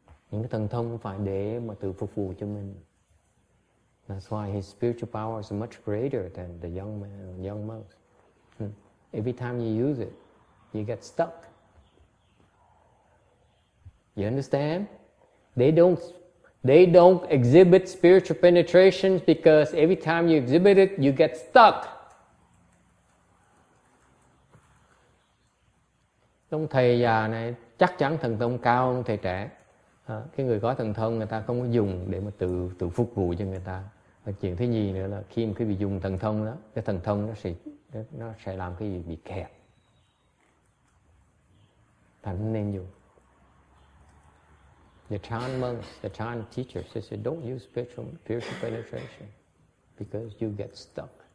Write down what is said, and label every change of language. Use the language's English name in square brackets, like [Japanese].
[Vietnamese] Những cái thần thông phải để mà tự phục vụ cho mình. [English] That's why his spiritual power is much greater than the young man, young monk. Every time you use it, you get stuck. You understand? They don't exhibit spiritual penetration because every time you exhibit it, you get stuck. [Vietnamese] Ông thầy già này chắc chắn thần thông cao hơn thầy trẻ. Cái người có thần thông người ta không có dùng để mà tự phục vụ cho người ta. Và chuyện thứ nhì nữa là khi mà quý vị dùng thần thông đó, cái thần thông nó sẽ làm cái gì bị kẹt. [English] The Chan monks, the Chan teachers, they say, don't use spiritual penetration because you get stuck.